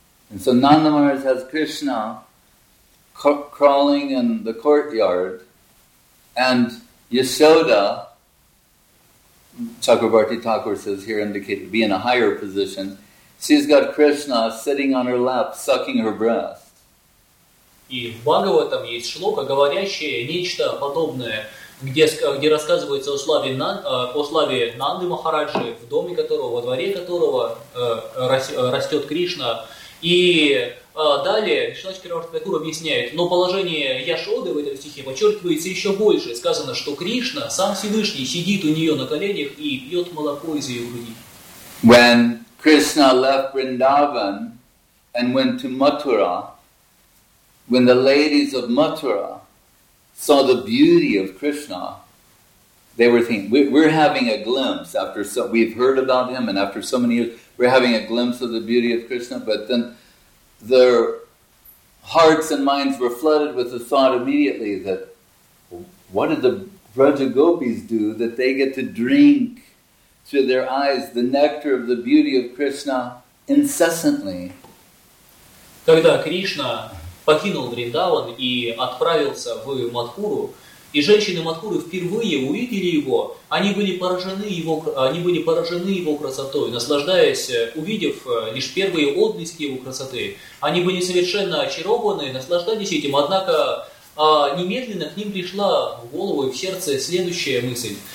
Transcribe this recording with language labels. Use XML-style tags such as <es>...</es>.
<en>And so Nanda Maharaj has Krishna crawling in the courtyard, and Yashoda, Chakrabarti Thakur says here indicated to be in a higher position, she's got Krishna sitting on her lap sucking her breast.</en> <ru>И в Бхагаватам есть шлока, говорящая нечто подобное. Где рассказывается о славе Нанды Махараджи, в доме которого, во дворе которого растет Кришна. И далее Вишна Чакраварти Тхакур объясняет, но положение Яшоды в этом стихе подчеркивается еще больше. Сказано, что Кришна, сам Всевышний, сидит у нее на коленях и пьет молоко из ее груди.</ru> <en>When Krishna left Vrindavan and went to Mathura, when the ladies of Mathura saw the beauty of Krishna, they were thinking, we're having a glimpse after so, we've heard about him and after so many years, we're having a glimpse of the beauty of Krishna, but then their hearts and minds were flooded with the thought immediately that, what did the Vraja Gopis do that they get to drink through their eyes the nectar of the beauty of Krishna incessantly?</en> <ru>Когда Кришна покинул Вриндаван и отправился в Матхуру, и женщины Матхуры впервые увидели его, они были поражены его красотой, наслаждаясь, увидев лишь первые отблески его красоты, они были совершенно очарованы, наслаждались этим, однако немедленно к ним пришла в голову и в сердце следующая мысль.</ru>